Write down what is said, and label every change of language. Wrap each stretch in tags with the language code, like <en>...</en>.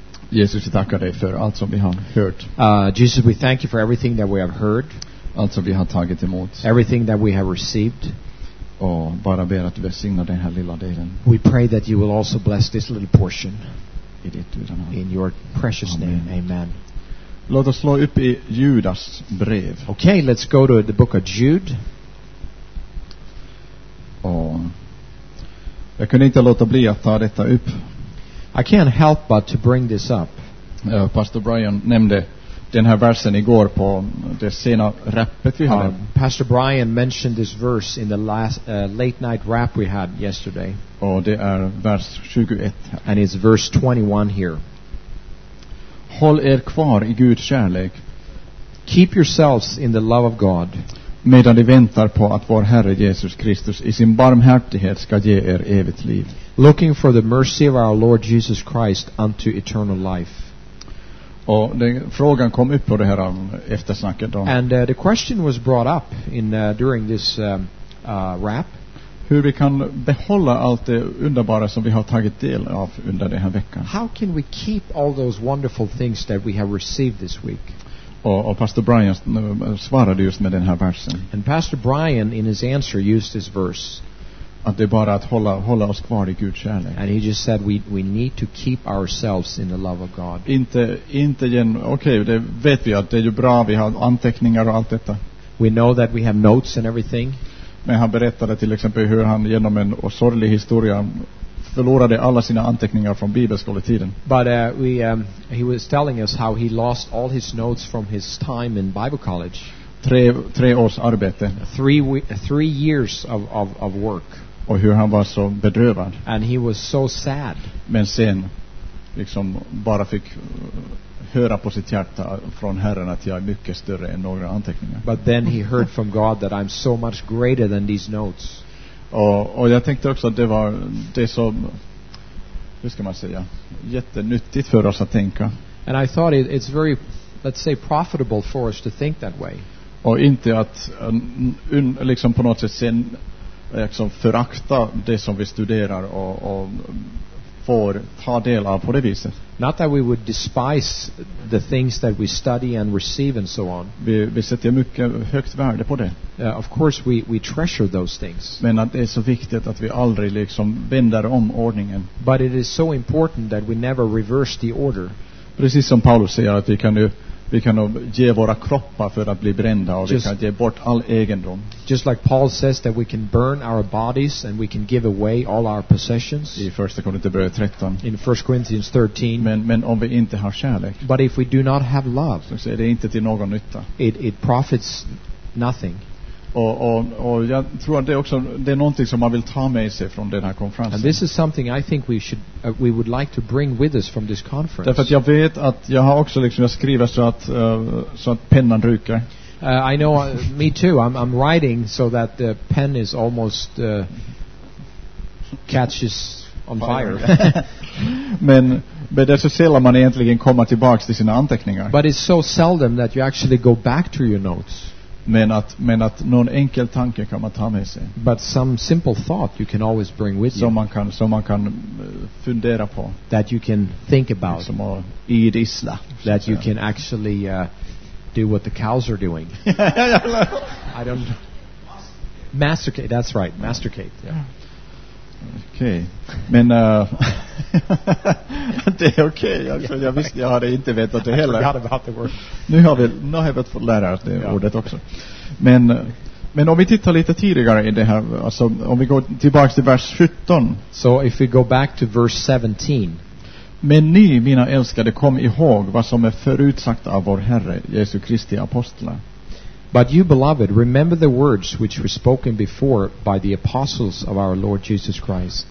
<sv>Jesus, vi tackar dig för allt som vi har hört.</sv> <en>Jesus, we thank you for everything that we have heard.</en> <sv>Allt som vi har tagit emot.</sv> <en>Everything that we have received.</en> <sv>Och bara ber att du välsignar den här lilla delen.</sv> <en>We pray that you will also bless this little portion.</en> <sv>I ditt utan allt.</sv> <en>In your precious name. Amen.</en> <sv>Låt oss slå upp i Judas brev.</sv> <en>Okay, let's go to the book of Jude.</en> <sv>Och jag kunde inte låta bli att ta detta upp.</sv> <en>I can't help but to bring this up.</en> <sv>Pastor Brian nämnde den här versen igår på det sena rappet vi hade.</sv> <en>Pastor Brian mentioned this verse in the last late night rap we had yesterday.</en> <sv>Och det är vers 21.</sv> <en>And it's verse 21 here.</en> <sv>Håll er kvar i Guds kärlek.</sv> <en>Keep yourselves in the love of God.</en> <sv>medan de väntar på att vår Herre Jesus Kristus i sin barmhärtighet ska ge er evigt liv.</sv> <en>Looking for the mercy of our Lord Jesus Christ unto eternal life.</en> <sv>Och den frågan kom upp på det här eftersnacket då.</sv> <en>And the question was brought up in during this wrap.</en> <sv>Hur vi kan behålla allt det underbara som vi har tagit del av under den här veckan.</sv> <en>How can we keep all those wonderful things that we have received this week?</en> <sv>Och Pastor Brian svarade just med den här versen.</sv> <en>And Pastor Brian in his answer used this verse.</en> <sv>Att det är bara att hålla oss kvar i Guds kärlek.</sv> <en>And he just said we need to keep ourselves in the love of God.</en> <sv>Inte igen, okej, det vet vi att det är ju bra, vi har anteckningar och allt detta.</sv> <en>We know that we have notes and everything.</en> <sv>Men han berättade till exempel hur han genom en sorglig historia förlorade alla sina anteckningar från bibelskoletiden.</sv> <en>But he was telling us how he lost all his notes from his time in Bible college.</en> <sv>Tre års arbete.</sv> <en>Three years of work.</en> <sv>Och hur han var så bedrövad.</sv> <en>And he was so sad.</en> <sv>Men sen liksom bara fick höra på sitt hjärta från Herren att jag är mycket större än några anteckningar.</sv> <en>But then he heard from God that I'm so much greater than these notes.</en> <sv>Och jag tänkte också att det är så, hur ska man säga, jättenyttigt för oss att tänka.</sv> <en>And I thought it's very, let's say, profitable for us to think that way.</en> <sv>Och inte att liksom på något sätt sen liksom förakta det som vi studerar och får ta del av på det viset.</sv> <en>Not that we would despise the things that we study and receive and so on.</en> <sv>Vi sätter mycket högt värde på det.</sv> <en>Of course we treasure those things.</en> <sv>Men att det är så viktigt att vi aldrig liksom vänder om ordningen.</sv> <en>But it is so important that we never reverse the order.</en> <sv>Precis som Paulus säger att vi kan ge våra kroppar för att bli brända och just, vi kan ge bort all egendom.</sv> <en>Just like Paul says that we can burn our bodies and we can give away all our possessions.</en> <sv>I 1 Korinthierbrevet 13.</sv> <en>In 1 Corinthians 13.</en> <sv>Men om vi inte har kärlek.</sv> <en>But if we do not have love.</en> <sv>Så är det inte till någon nytta.</sv> <en>It profits nothing.</en> <sv>Och jag tror att det är någonting som man vill ta med sig från den här konferensen.</sv> <en>And this is something I think we would like to bring with us from this conference.</en> <sv>Därför att jag vet att jag har också liksom jag skriver så att pennan ryker.</sv> <en>I know me too. I'm writing so that the pen is almost catches on fire.</en> <sv>Men det är så sällan man egentligen kommer tillbaka till sina anteckningar.</sv> <en>But it's so seldom that you actually go back to your notes.</en> <sv>Men att någon enkel tanke kan man ta med sig.</sv> <en>But some simple thought you can always bring with you.</en> <sv>Som man kan fundera på.</sv> <en>That you can think about.</en> <sv>Som att idissla.</sv> <en>That you can actually do what the cows are doing. I don't know. Masticate, that's right. Masticate. Yeah.</en> <sv>Okej. Men det är okej. Jag visste jag hade inte vetat det heller. Nu har vi fått lära oss det ordet också. Men om vi tittar lite tidigare i det här, alltså om vi går tillbaka till vers 17.</sv> <en>So if we go back to verse 17.</en> <sv>Men ni, mina älskade, kom ihåg vad som är förutsagt av vår Herre Jesu Kristi apostlar.</sv> <en>But you, beloved, remember the words which were spoken before by the apostles of our Lord Jesus Christ.</en>